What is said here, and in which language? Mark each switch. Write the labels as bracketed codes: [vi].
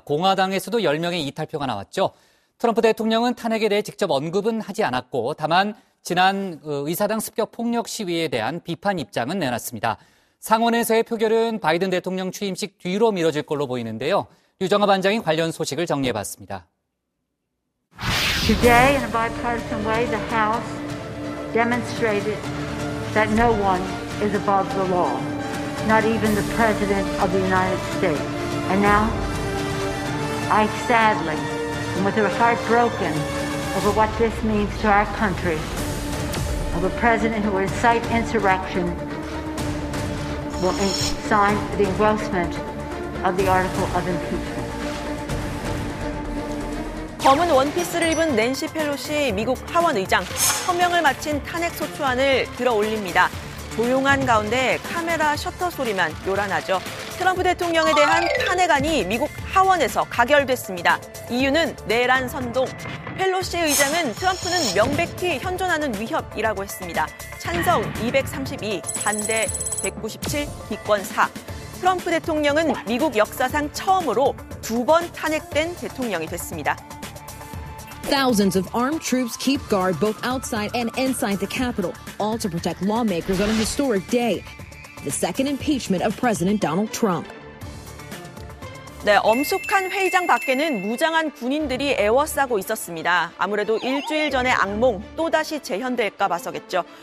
[ko] 공화당에서도 10명의 이탈표가 나왔죠. 트럼프 대통령은 탄핵에 대해 직접 언급은 하지 않았고 다만 지난 의사당 습격폭력 시위에 대한 비판 입장은 내놨습니다. 상원에서의 표결은 바이든 대통령 취임식 뒤로 미뤄질 걸로 보이는데요. 유정아 반장이 관련 소식을 정리해봤습니다. [en] Today, in a bipartisan way, the House demonstrated that no one is above the law, not even the President of the United States. And now, I sadly, and with a heart broken over what this means to our country, of a president who will incite insurrection, will sign the engrossment of the article of impeachment. [ko] 검은 원피스를 입은 낸시 펠로시 미국 하원의장, 서명을 마친 탄핵 소추안을 들어올립니다. 조용한 가운데 카메라 셔터 소리만 요란하죠. 트럼프 대통령에 대한 탄핵안이 미국 하원에서 가결됐습니다. 이유는 내란 선동. 펠로시 의장은 트럼프는 명백히 현존하는 위협이라고 했습니다. 찬성 232, 반대 197, 기권 4. 트럼프 대통령은 미국 역사상 처음으로 두 번 탄핵된 대통령이 됐습니다. [en] Thousands of armed troops keep guard both outside and inside the Capitol, all to protect lawmakers on a historic day, the second impeachment of President Donald Trump. [ko] 네, 엄숙한 회의장 밖에는 무장한 군인들이 에워싸고 있었습니다. 아무래도 일주일 전의 악몽 또다시 재현될까 봐서겠죠.